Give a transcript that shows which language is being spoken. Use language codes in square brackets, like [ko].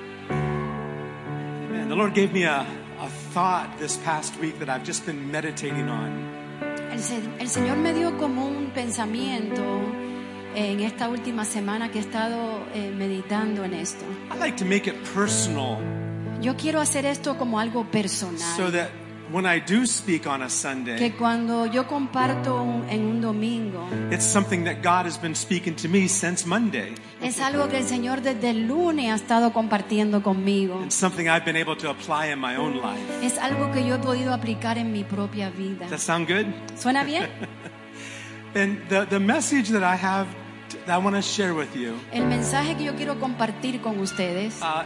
[en] And the Lord gave me a thought this past week that I've just been meditating on. [es] El Señor me dio como un pensamiento en esta última semana que he estado meditando en esto. [en] I like to make it personal. [es] Yo quiero hacer esto como algo personal. [en] So that when I do speak on a Sunday, [es] que cuando yo comparto en un domingo, [en] it's something that God has been speaking to me since Monday. [es] Es algo que el Señor desde el lunes ha estado compartiendo conmigo. [en] It's something I've been able to apply in my own life. [es] Es algo que yo he podido aplicar en mi propia vida. [en] Does that sound good? [es] ¿Suena bien? [en] And the message that I have that I want to share with you, [es] el mensaje que yo quiero compartir con ustedes,